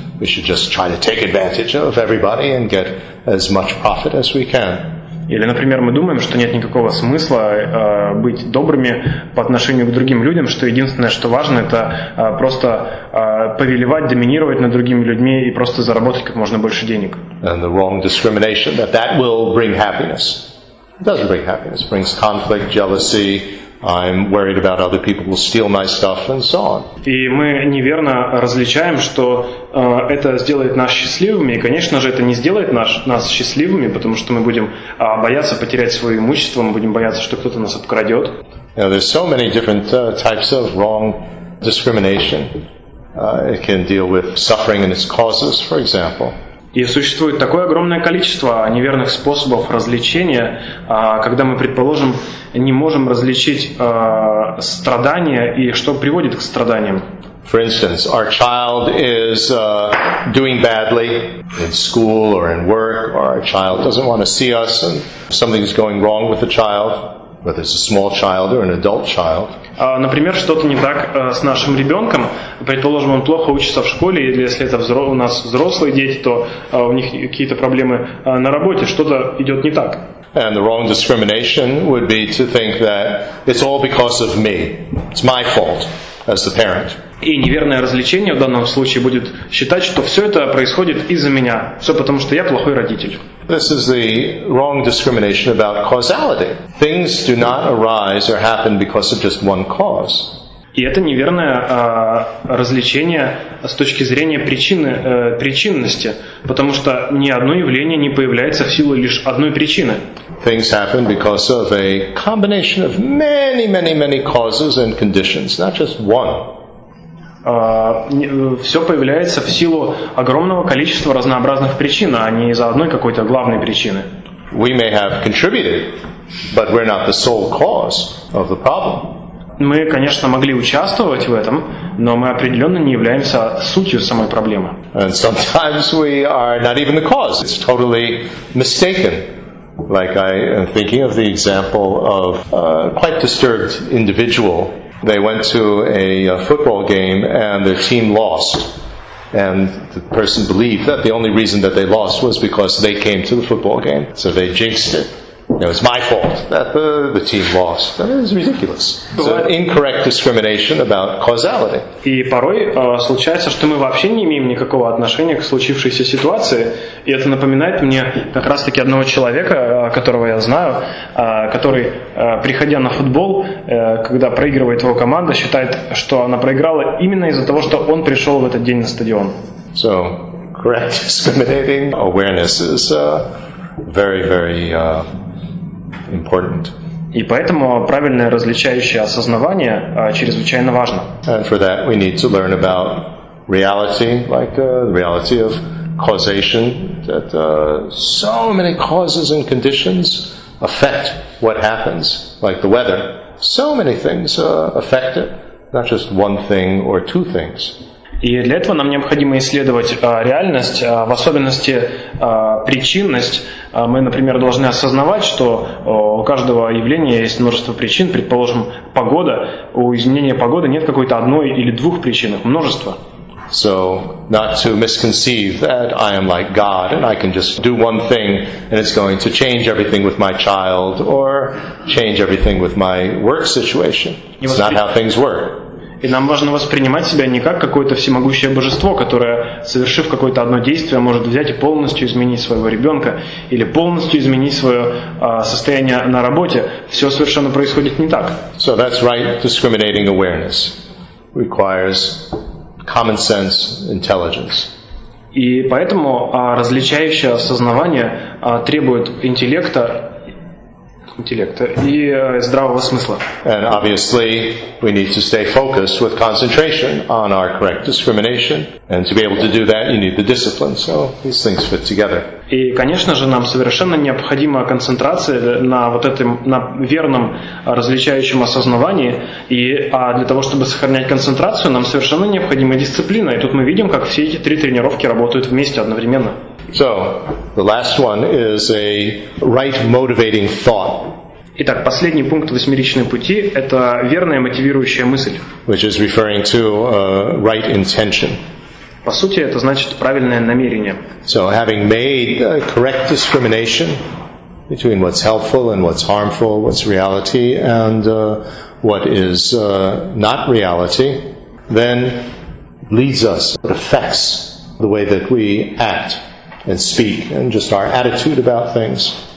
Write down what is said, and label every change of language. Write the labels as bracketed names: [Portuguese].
[English] We should just try to take advantage of everybody and get as much profit as we can. [Russian] Или, например, мы думаем, что нет никакого смысла быть добрыми по отношению к другим людям, что единственное, что важно, это просто повелевать, доминировать над другими людьми и просто заработать как можно больше денег. [English] And the wrong discrimination, that will bring happiness. It doesn't bring happiness. It brings conflict, jealousy. I'm worried about other people will steal my stuff and so on. [Russian] И мы неверно различаем, что это сделает нас счастливыми, и, конечно же, это не сделает нас счастливыми, потому что мы будем бояться потерять свое имущество, мы будем бояться, что кто-то нас обкрадет. [English] You know, there's so many different types of wrong discrimination. It can deal with suffering and its causes, for example. [Russian] И существует такое огромное количество неверных способов развлечения, когда мы, предположим, не можем различить страдания и что приводит к страданиям. [English] For instance, our child is doing badly in school or in work, or our child doesn't want to see us, and something's going wrong with the child, whether it's a small child or an adult child. [Russian] Например, что-то не так с нашим ребенком. Предположим, он плохо учится в школе, или если это у нас взрослые дети, то у них какие-то проблемы на работе, что-то идет не так. [English] And the wrong discrimination would be to think that it's all because of me. It's my fault as the parent. [Russian] И неверное развлечение в данном случае будет считать, что все это происходит из-за меня. Все потому, что я плохой родитель. [English] This is the wrong discrimination about causality. Things do not arise or happen because of just one cause. [Russian] И это неверное развлечение с точки зрения причины, причинности, потому что ни одно явление не появляется в силу лишь одной причины. [English] Things happen because of a combination of many, many, many causes and conditions, not just one. [Russian] Все появляется в силу огромного количества разнообразных причин, а не из-за одной какой-то главной причины. [English] We may have contributed, but we're not the sole cause of the problem. [Russian] Мы, конечно, могли участвовать в этом, но мы определенно не являемся сутью самой проблемы. [English] And sometimes we are not even the cause. It's totally mistaken. Like I am thinking of the example of a quite disturbed individual. They went to a football game and their team lost. And the person believed that the only reason that they lost was because they came to the football game. So they jinxed it. No, it's my fault that the team lost. That is ridiculous. It's an incorrect discrimination about causality. [Russian] И порой случается, что мы вообще не имеем никакого отношения к случившейся ситуации. И это напоминает мне как раз-таки одного человека, которого я знаю, который, приходя на футбол, когда проигрывает его команда, считает, что она проиграла именно из-за того, что он пришел в этот день на стадион. [English] So, correct discriminating awareness is very, very... important. [Russian] И поэтому правильное различающее осознавание чрезвычайно важно. [English] And for that we need to learn about reality, like the reality of causation, that so many causes and conditions affect what happens, like the weather. So many things affect it, not just one thing or two things. [Russian] И для этого нам необходимо исследовать реальность, в особенности причинность. Мы, например, должны осознавать, что у каждого явления есть множество причин. Предположим, погода. У изменения погоды нет какой-то одной или двух причин, их множество. [English] So, not to misconceive that I am like God and I can just do one thing and it's going to change everything with my child or change everything with my work situation. It's not how things work. [Russian] И нам важно воспринимать себя не как какое-то всемогущее божество, которое, совершив какое-то одно действие, может взять и полностью изменить своего ребенка или полностью изменить свое состояние на работе. Все совершенно происходит не так. [English] So that's right, discriminating awareness requires common sense intelligence. [Russian] И поэтому различающее осознавание требует интеллекта, интеллекта и здравого смысла. [English] And obviously we need to stay focused with concentration on our correct discrimination. And to be able to do that, you need the discipline. So these things fit together. [Russian] И, конечно же, нам совершенно необходима концентрация на вот этом, на верном различающем осознавании. И для того, чтобы сохранять концентрацию, нам совершенно необходима дисциплина. И тут мы видим, как все эти три тренировки работают вместе одновременно. [English] So, the last one is a right motivating thought. [Russian] Итак, последний пункт восьмеричной пути – это верная мотивирующая мысль. [English] Which is referring to right intention. [Russian] По сути, это значит правильное намерение. [English] So, having made a correct discrimination between what's helpful and what's harmful, what's reality and what is not reality, then leads us, affects the way that we act and speak, and just our attitude about things.